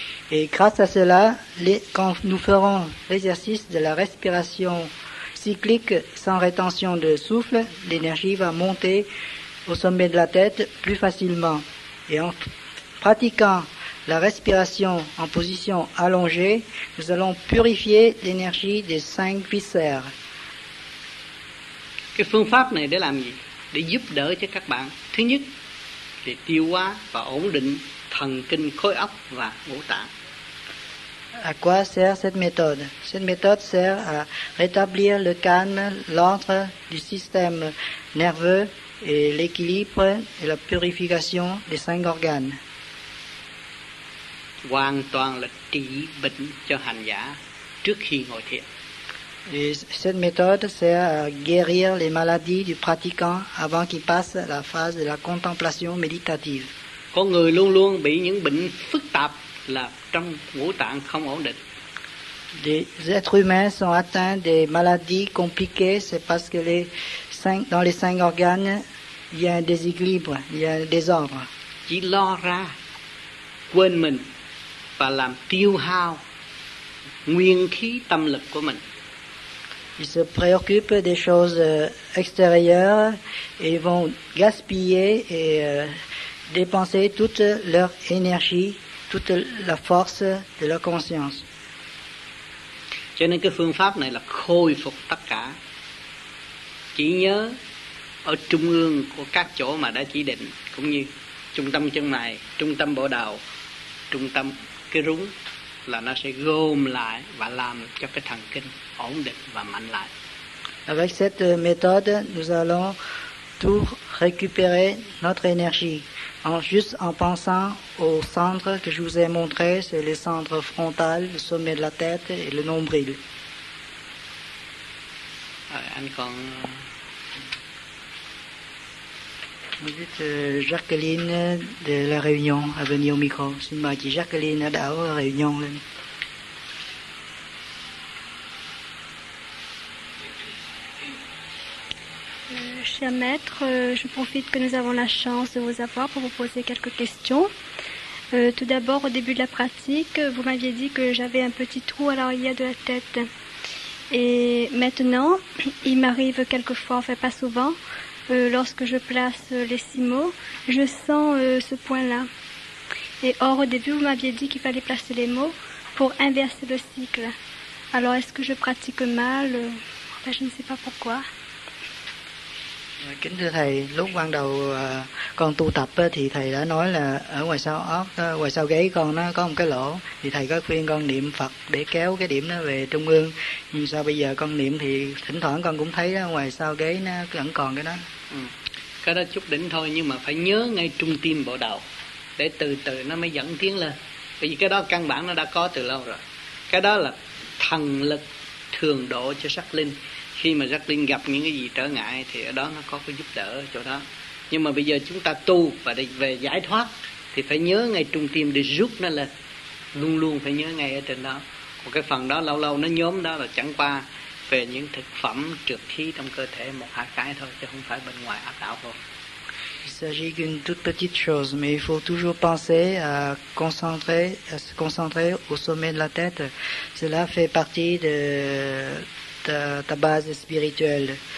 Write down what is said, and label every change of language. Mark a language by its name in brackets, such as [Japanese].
[French] Et grâce à cela, quand nous ferons l'exercice de la respiration cyclique sans rétention de souffle, l'énergie va monter au sommet de la tête plus facilement. Et en pratiquant la respiration en position allongée, nous allons purifier l'énergie des cinq viscères. [Vietnamese] Cái phương pháp này để làm gì? Để giúp đỡ cho các bạn, thứ nhất thì tiêu hóa và ổn định thần kinh khối óc và ngũ tạng. [French] À quoi sert cette méthode? Cette méthode sert à rétablir le calme, l'ordre du système nerveux et l'équilibre et la purification des cinq organes. [Vietnamese] Hoàn toàn là trị bệnh cho hành giả trước khi ngồi thiền. [French] Et cette méthode sert à guérir les maladies du pratiquant avant qu'il passe à la phase de la contemplation méditative. [Vietnamese] Con người luôn luôn bị những bệnh phức tạp là trong ngũ tạng không ổn định. [French] Les êtres humains sont atteints des maladies compliquées, c'est parce que dans les cinq organes, il y a un déséquilibre, il y a un désordre. [Vietnamese] Chỉ lo ra, quên mình và làm tiêu hao nguyên khí tâm lực của mình. [French] Ils se préoccupent des choses extérieures et vont gaspiller et dépenser toute leur énergie, toute la force de leur conscience. [Vietnamese] Cho nên cái phương pháp này là khôi phục tất cả trí nhớ ở trung ương của các chỗ mà đã chỉ định, cũng như trung tâm chân mày, trung tâm bộ đầu, trung tâm cái rúng, là nó sẽ gom lại và làm cho cái thần kinh ổn định và mạnh lại. [French] Avec cette méthode, nous allons tout récupérer notre énergie en juste en pensant au centre que je vous ai montré, c'est le centre frontal, le sommet de la tête et le nombril. [Vietnamese] Anh còn [French] vous dites Jacqueline de la Réunion à venir au micro. [Vietnamese] Xin mời chị Jacqueline đảo ở Réunion lên. [French] Cher maître, je profite que nous avons la chance de vous avoir pour vous poser quelques questions. Tout d'abord, au début de la pratique, vous m'aviez dit que j'avais un petit trou à l'arrière de la tête. Et maintenant, il m'arrive quelquefois, enfin pas souvent, lorsque je place les six mots, je sens ce point-là. Et or, au début, vous m'aviez dit qu'il fallait placer les mots pour inverser le cycle. Alors, est-ce que je pratique mal? Enfin, je ne sais pas pourquoi. [Vietnamese] Kính thưa thầy, lúc ban đầu con tu tập thì thầy đã nói là ở ngoài sau óc, ngoài sau gáy con nó có một cái lỗ, thì thầy có khuyên con niệm Phật để kéo cái điểm nó về trung ương. Nhưng sao bây giờ con niệm thì thỉnh thoảng con cũng thấy đó, ngoài sau gáy nó vẫn còn cái đó. Cái đó chút đỉnh thôi, nhưng mà phải nhớ ngay trung tim bộ đầu để từ từ nó mới dẫn tiến lên. Bởi vì cái đó căn bản nó đã có từ lâu rồi. Cái đó là thần lực thường độ cho sắc linh. Khi mà Jack Linh gặp những cái gì trở ngại thì ở đó nó có cái giúp đỡ chỗ đó. Nhưng mà bây giờ chúng ta tu và để về giải thoát thì phải nhớ ngay trung tim để rút nó lên. Luôn luôn phải nhớ ngay ở trên đó. Còn cái phần đó lâu lâu nó nhóm đó là chẳng qua về những thực phẩm trượt khí trong cơ thể một hai cái thôi, chứ không phải bên ngoài áp đảo thôi. [French] Il s'agit d'une toute petite chose, mais il faut toujours penser à se concentrer au sommet de la tête. Cela fait partie de ta base spirituelle.